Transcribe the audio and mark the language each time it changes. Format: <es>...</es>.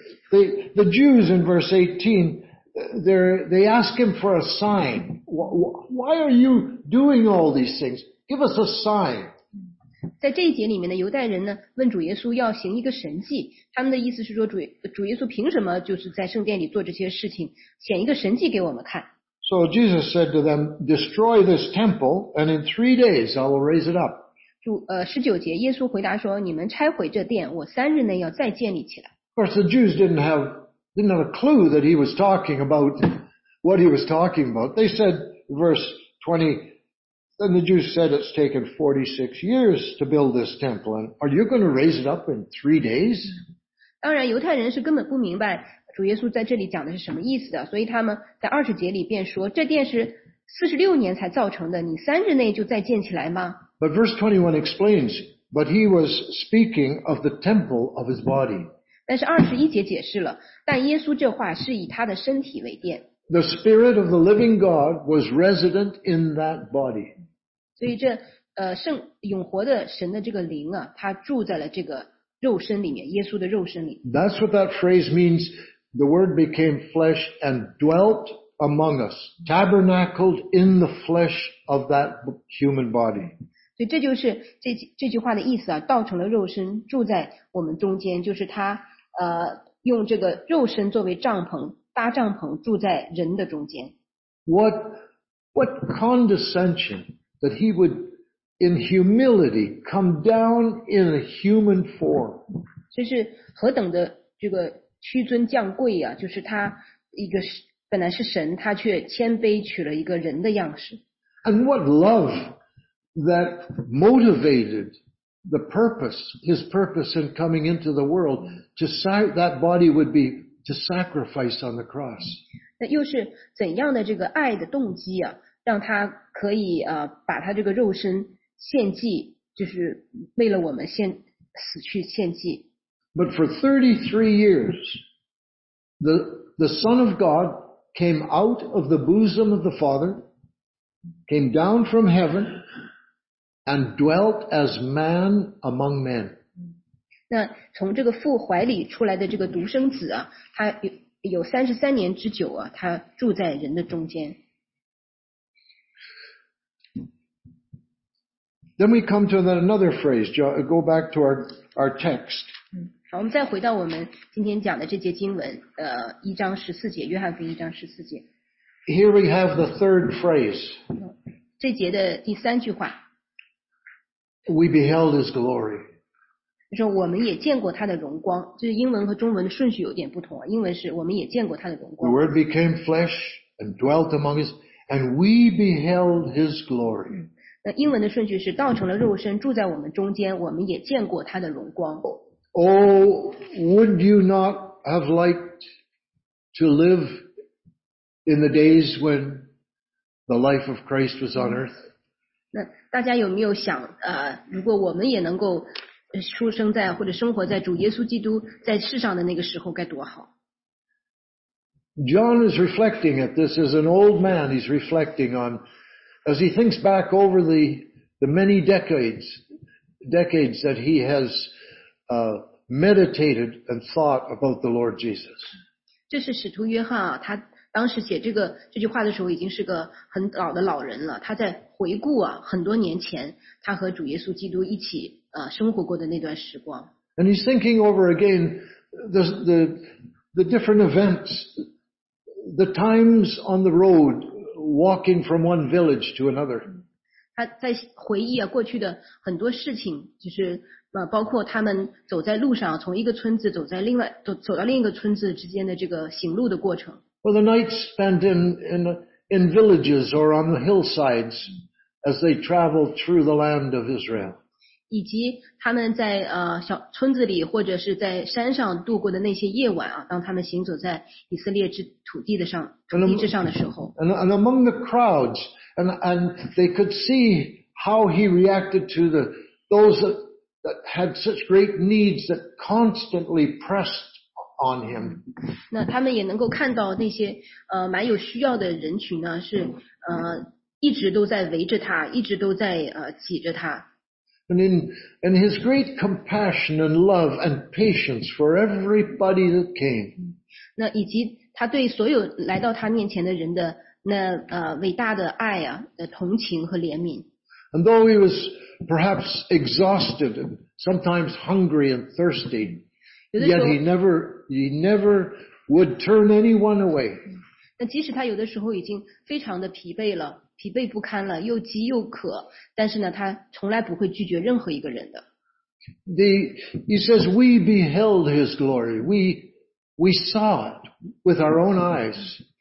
<en>The Jews in verse 18, they ask him for a sign. Why are you doing all these things? Give us a sign.</en> <zh>在这一节里面的犹太人呢，问主耶稣要行一个神迹，他们的意思是说主耶稣凭什么就是在圣殿里做这些事情，显一个神迹给我们看。</zh> <en>So Jesus said to them, destroy this temple, and in 3 days I will raise it up.</en> <zh>十九节，耶稣回答说，你们拆毁这殿，我三日内要再建立起来。</zh> <en>Of course, the Jews didn't have a clue that he was talking about what he was talking about. They said, verse 20,Then the Jews said, it's taken 46 years to build this temple, and are you going to raise it up in 3 days?</en> <zh>当然犹太人是根本不明白主耶稣在这里讲的是什么意思的，所以他们在二十节里便说，这殿是46年才造成的，你三日内就再建起来吗？</zh> <en>But verse 21 explains, but he was speaking of the temple of his body.</en> <zh>但是二十一节解释了，但耶稣这话是以他的身体为殿。</zh> <en>The Spirit of the Living God was resident in that body.</en> <zh>所以这圣永活的神的这个灵啊，他住在了这个肉身里面，耶稣的肉身里。</zh> <en>That's what that phrase means. The Word became flesh and dwelt among us, tabernacled in the flesh of that human body.</en> <zh>所以这就是这句话的意思啊，道成了肉身，住在我们中间，就是他用这个肉身作为帐篷。搭帐篷住在人的中间。</zh> <en>What condescension that he would in humility come down in a human form.</en> <zh>这是何等的这个屈尊降贵啊，就是他一个本来是神，他却谦卑取了一个人的样式。</zh> <en>And what love that motivated his purpose in coming into the world to say that body would beBe to sacrifice on the cross.</en> <zh>那又是怎样的这个爱的动机啊，让他可以把他这个肉身献祭，就是为了我们死去献祭。</zh> <en>But for 33 years, the Son of God came out of the bosom of the Father, came down from heaven, and dwelt as man among men.</en> <zh>那从这个父怀里出来的这个独生子啊，他有33年之久啊，他住在人的中间。</zh> <en>Then we come to another phrase. Go back to our text.</en> <zh>好，我们再回到我们今天讲的这节经文，一章十四节，约翰福音一章十四节。</zh> <en>Here we have the third phrase.</en> <zh>这节的第三句话。 We beheld his glory. 就是我们也见过他的荣光，就是英文和中文的顺序有点不同啊。英文是我们也见过他的荣光。</zh> <en>The Word became flesh and dwelt among us, and we beheld His glory.</en> <zh>那英文的顺序是道成了肉身，住在我们中间，我们也见过他的荣光。</zh> <en>Oh, would you not have liked to live in the days when the life of Christ was on earth?</en> <zh>那大家有没有想如果我们也能够出生在或者生活在主耶稣基督在世上的那个时候该多好。</zh> <en>John is reflecting at this as an old man. He's reflecting on, as he thinks back over the many decades decades that he has meditated and thought about the Lord Jesus.</en> <zh>这是使徒约翰啊，他当时写这句话的时候已经是个很老的老人了。他在回顾啊，很多年前他和主耶稣基督一起生活过的那段时光。</zh> <en>And he's thinking over again the different events, the times on the road, walking from one village to another.</en> <zh>他在回忆啊过去的很多事情，就是包括他们走在路上，从一个村子走到另一个村子之间的这个行路的过程。</zh> <en>Well, the nights spent in villages or on the hillsides as they traveled through the land of Israel.</en> <zh>以及他们在小村子里或者是在山上度过的那些夜晚啊，当他们行走在以色列之土地之上的时候。</zh> <en>And among the crowds, and they could see how he reacted to those that had such great needs that constantly pressed. On him.</en> <zh>那他们也能够看到那些蛮有需要的人群呢，是一直都在围着他，一直都在挤着他。</zh> <en>And in his great compassion and love and patience for everybody that came.</en> <zh>那以及他对所有来到他面前的人的那伟大的爱啊的同情和怜悯。</zh> <en>And though he was perhaps exhausted and sometimes hungry and thirsty. Yet he never would turn anyone away.</en> <zh>那即使他有的时候已经非常的疲惫了，疲惫不堪了，又饥又渴，但是呢，他从来不会拒绝任何一个人的。</zh> <en>He says, "We beheld his glory. We saw it with our own eyes."</en>